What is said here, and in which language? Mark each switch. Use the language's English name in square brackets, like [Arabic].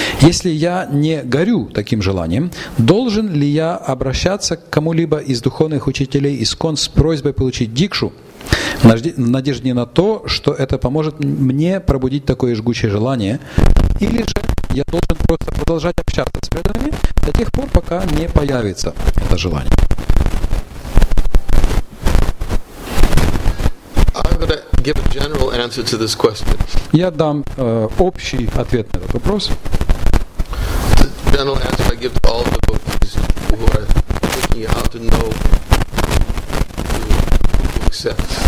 [Russian] Если я не горю таким желанием, должен ли я обращаться к кому-либо из духовных учителей искон с просьбой получить дикшу, в надежде на то, что это поможет мне пробудить такое жгучее желание, или же я должен просто продолжать общаться с преданными до тех пор, пока не появится это желание. [English] I'm going to give a general answer to this question. [Russian] Я дам общий ответ на этот вопрос. [English] The general answer I give to all the devotees who are thinking how to know to accept.